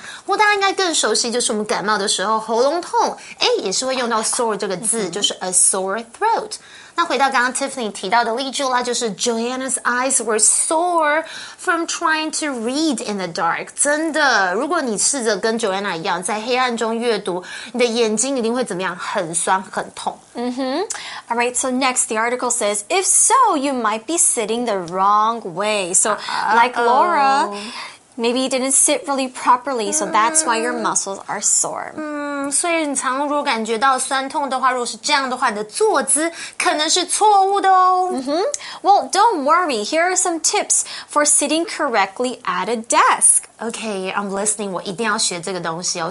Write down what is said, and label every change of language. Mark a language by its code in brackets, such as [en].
[zh] 不过大家应该更熟悉就是我们感冒的时候喉咙痛，哎，也是会用到 sore 这个字，就是 [en] a sore throat. [zh] 那回到刚刚 Tiffany 提到的例句啦，就是 [en] Joanna's eyes were sore from trying to read in the dark. [zh] 真的，如果你试着跟 Joanna 一样在黑暗中阅读，你的眼睛一定会怎么样？很酸，很痛。 [en] Mm-hmm. All right, so next, the article says, if so, you might be sitting the wrong way. So, like Laura, maybe you didn't sit really properly, so that's why your muscles are sore. [zh] 所以你常常如果感觉到酸痛的话，如果是这样的话，你的坐姿可能是错误的哦。 [en] Well, don't worry. Here are some tips for sitting correctly at a desk. Okay, I'm listening. [zh] 我一定要学这个东西哦。